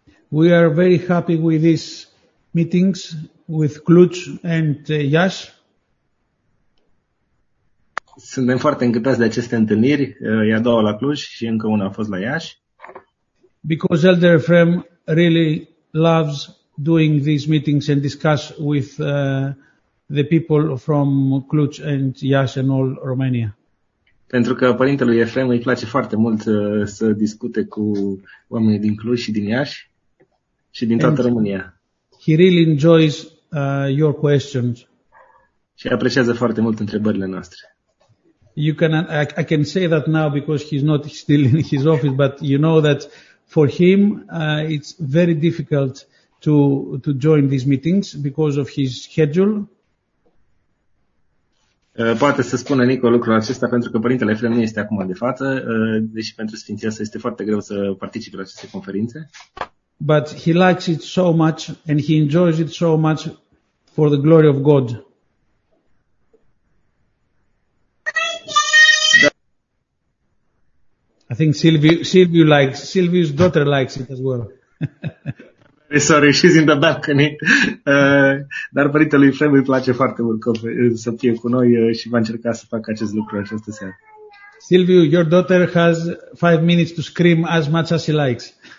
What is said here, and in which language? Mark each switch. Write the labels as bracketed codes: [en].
[en] We are very happy with these meetings with Cluj and Iași. [ro] Suntem foarte încântați de aceste întâlniri, e a doua la Cluj și încă una a fost la Iași. [en] Because Elder Ephrem really loves doing these meetings and discuss with the people from Cluj and Iași and all Romania. [ro] Pentru că părintelui Ephrem îi place foarte mult să discute cu oamenii din Cluj și din Iași. Și din toată România. [en] He really enjoys your questions. [ro] Și apreciază foarte mult întrebările noastre. [en] You can I can say that now because he's not still in his office, but you know that for him it's very difficult to join these meetings because of his schedule. [ro] Poate să spună Nico lucrul acesta pentru că părintele Efrem nu este acum de față, deși pentru Sfinția Sa este foarte greu să participe la aceste conferințe. [en] But he likes it so much and he enjoys it so much for the glory of God. I think Silviu's daughter likes it as well. Sorry, she's in the balcony. [ro] Dar părintelui Frem îi place foarte mult să fie cu noi și va încerca să facă acest lucru această seară. [en] Silviu, your daughter has 5 minutes to scream as much as she likes.